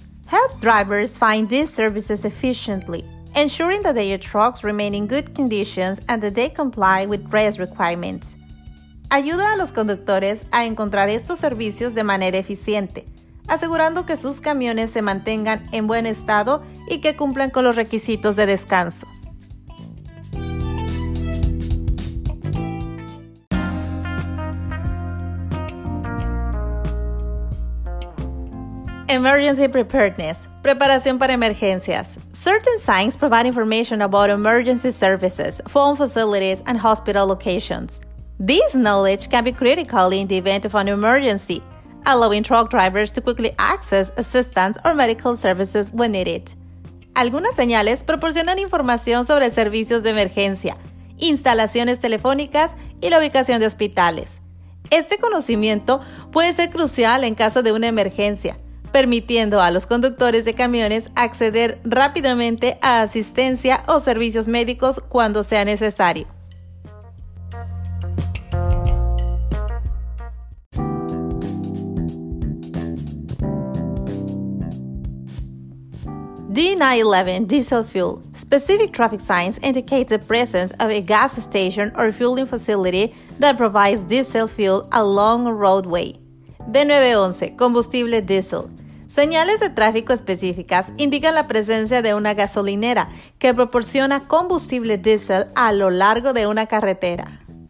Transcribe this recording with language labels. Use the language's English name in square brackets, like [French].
[English] Helps drivers find these services efficiently, ensuring that their trucks remain in good conditions and that they comply with rest requirements. [Spanish] Ayuda a los conductores a encontrar estos servicios de manera eficiente, asegurando que sus camiones se mantengan en buen estado y que cumplan con los requisitos de descanso. [English] Emergency preparedness, [Spanish] preparación para emergencias. [English] Certain signs provide information about emergency services, phone facilities, and hospital locations. This knowledge can be critical in the event of an emergency, allowing truck drivers to quickly access assistance or medical services when needed. [Spanish] Algunas señales proporcionan información sobre servicios de emergencia, instalaciones telefónicas y la ubicación de hospitales. Este conocimiento puede ser crucial en caso de una emergencia, permitiendo a los conductores de camiones acceder rápidamente a asistencia o servicios médicos cuando sea necesario. [English] D911 Diesel Fuel. Specific traffic signs indicate the presence of a gas station or fueling facility that provides diesel fuel along a roadway. [Spanish] D911 Combustible Diesel. Señales de tráfico específicas indican la presencia de una gasolinera que proporciona combustible diésel a lo largo de una carretera.